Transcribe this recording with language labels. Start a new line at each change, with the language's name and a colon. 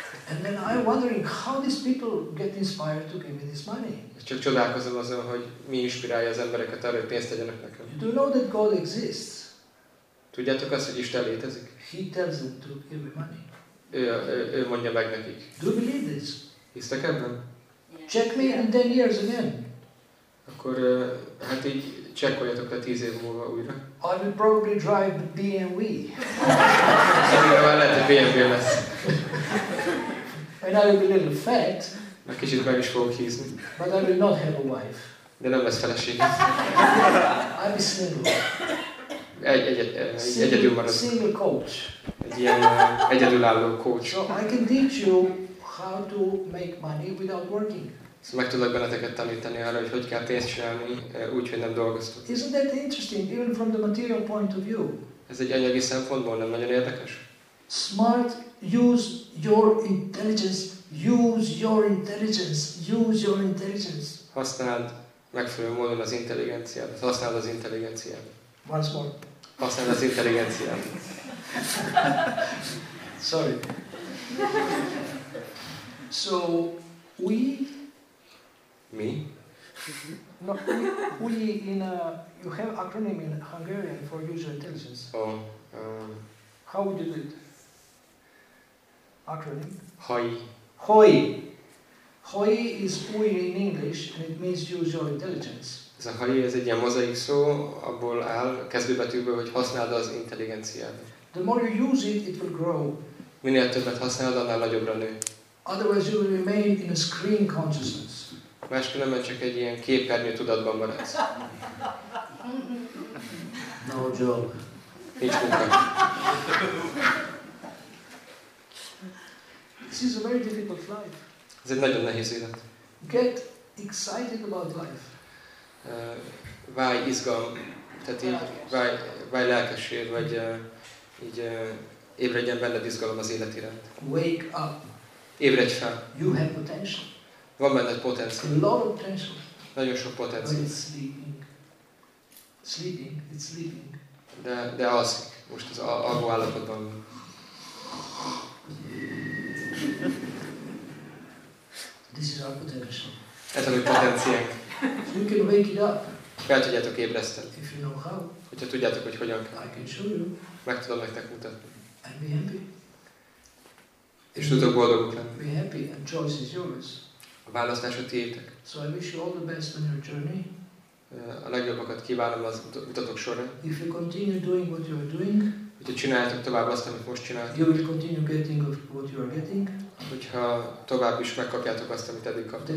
English: And then I'm wondering how these people get inspired to give me this money.
Hungarian: Csak csodálkozom azon, hogy mi inspirálja az embereket arra, hogy pénzt adjanak nekem.
English: You do know that God exists.
Hungarian: Tudjátok azt, hogy Isten létezik?
English: He tells them to give me money.
Hungarian: Ő mondja meg nekik.
English: Do you believe this?
Hungarian: Hisztek ebben?
English: Yeah. Check me in 10 years again.
Hungarian: Akkor hát így csekkoljatok le 10 év múlva újra.
English: I will probably drive the BMW.
Hungarian: Szerintem lehet, hogy BMW lesz.
English: And I will be a little fat.
Hungarian: Mert kicsit meg is fogok hízni.
English: But I will not have a wife.
Hungarian: De nem lesz feleségem.
English: I will be single.
Hungarian: Egyedül maradok.
English: Single coach.
Hungarian: Egy ilyen egyedülálló coach.
English: So I can teach you how to make money without working.
Hungarian: Szóval meg tudok benneteket tanítani arra, hogy hogy kell pénzt csinálni, úgy, hogy nem dolgoztok.
English: Isn't that interesting, even from the material point of view?
Hungarian: Ez egy anyagi szempontból nem nagyon érdekes?
English: Smart, use your intelligence.
Hungarian: Használd megfelelő módon az intelligenciát. Használd az intelligenciát.
English: Once more.
Hungarian: Használd az intelligenciát.
English: Sorry. So, we... Me? No, we in a... You have acronym in Hungarian for user intelligence. Oh. How would you do it? Acronym? HOI. HOI. HOI is UI in English and it means use your intelligence.
Hungarian: Ez a HOI, ez egy ilyen mozaik szó, abból áll, kezdőbetűből, hogy használd az intelligenciát.
English: The more you use it, it will grow.
Hungarian: Minél többet használod, annál nagyobbra nő.
English: Otherwise you will remain in a screen consciousness.
Hungarian: Máskülönben csak egy ilyen képernyő tudatban maradsz.
English: No job.
Hungarian: Nincs munka.
English: This is a very difficult life.
Hungarian: Ez egy nagyon nehéz élet.
English: Get excited about life.
Hungarian: Válj izgalom, tehát így válj lelkessé, vagy így ébredjen benned izgalom az élet iránt.
English: Wake up.
Hungarian: Ébredj fel.
English: You have potential.
Hungarian: Van benned potenciál.
English: A lot of potential.
Hungarian: Nagyon sok potenciál.
English: But it's sleeping. Sleeping, it's sleeping.
Hungarian: De alszik. Most az alvó állapotban.
English: This is our potential.
Hungarian: Ez a mi potenciánk.
English: You can wake it up.
Hungarian: Fel tudjátok ébreszteni.
English: If you know how.
Hungarian: Hogyha tudjátok, hogy hogyan kell.
English: I can show you.
Hungarian: Meg tudom nektek mutatni.
English: And be happy.
Hungarian: És tudok boldogok lenni.
English: Be happy and choice is yours.
Hungarian: A választás a tiétek.
English: So I wish you all the best on your journey.
Hungarian: A legjobbakat kívánom az utatok során.
English: If you continue doing what you are doing.
Hungarian: Hogyha csináljátok tovább azt, amit most csináltok.
English: You will continue getting what you are getting.
Hungarian: Hogyha tovább is megkapjátok azt, amit eddig kaptok.